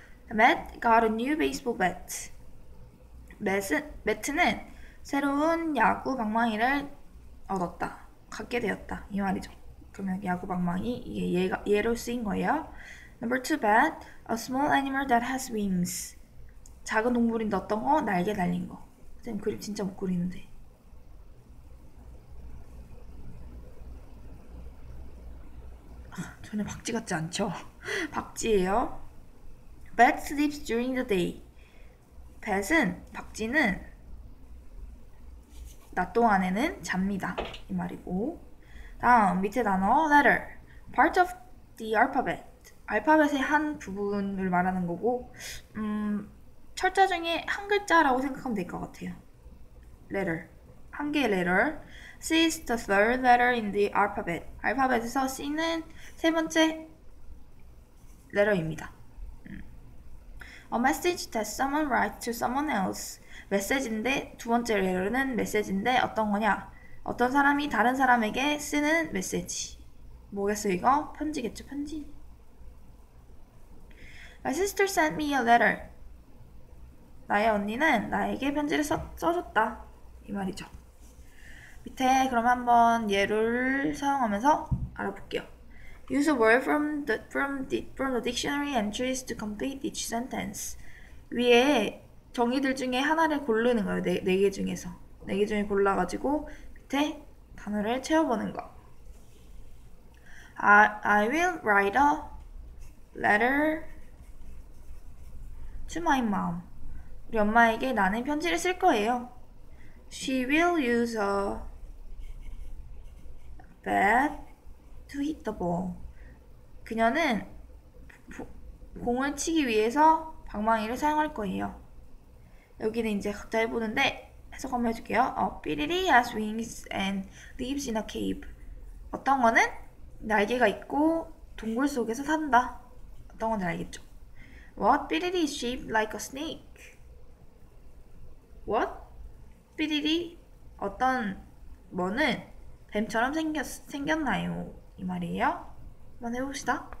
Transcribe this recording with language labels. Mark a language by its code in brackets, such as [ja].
[en] Matt got a new baseball bat. [ko] 매트는 새로운 야구 방망이를 얻었다. 갖게 되었다. 이 말이죠. 그러면 야구 방망이, 이게 예로 쓰인 거예요. [en] Number two bat, a small animal that has wings. [ko] 작은 동물인데 어떤 거? 날개 달린 거. 쌤, 그림 진짜 못 그리는데. 전혀 박쥐 같지 않죠? 박쥐예요. [en] Bat sleeps during the day. [ko] Bat은 박쥐는 낮 동안에는 잡니다. 이 말이고. 다음 밑에 단어 letter. [en] Part of the alphabet. [ko] 알파벳의 한 부분을 말하는 거고. 철자 중에 한 글자라고 생각하면 될것 같아요. Letter. 한 개의 letter. [en] C is the third letter in the alphabet. [ko] 알파벳에서 C는 세 번째 letter입니다. [en] A message that someone writes to someone else. [ko] 메시지인데, 두 번째 레어는 메시지인데, 어떤 거냐? 어떤 사람이 다른 사람에게 쓰는 메시지. 뭐겠어, 이거? 편지겠죠, 편지. [en] My sister sent me a letter. [ko] 나의 언니는 나에게 편지를 써줬다. 이 말이죠. 밑에 그럼 한번 예를 사용하면서 알아볼게요. [en] Use a word from the dictionary entries to complete each sentence. [ko] 위에 정의들 중에 하나를 고르는 거예요. 네개 중에서. 네개 중에 골라가지고 밑에 단어를 채워보는 거. [en] I will write a letter to my mom. [ko] 우리 엄마에게 나는 편지를 쓸 거예요. [en] She will use a bat to hit the ball. [ko] 그녀는 공을 치기 위해서 방망이를 사용할 거예요. 여기는 이제 각자 해보는데 해석 한번 해줄게요. [en] Billy has wings and lives in a cave. [ko] 어떤 거는 날개가 있고 동굴 속에서 산다. 어떤 건지 알겠죠? [en] What Billy is shaped like a snake? What Billy? [ko] 어떤 뭐는 뱀처럼 생겼나요? 이 말이에요. 한번 해봅시다.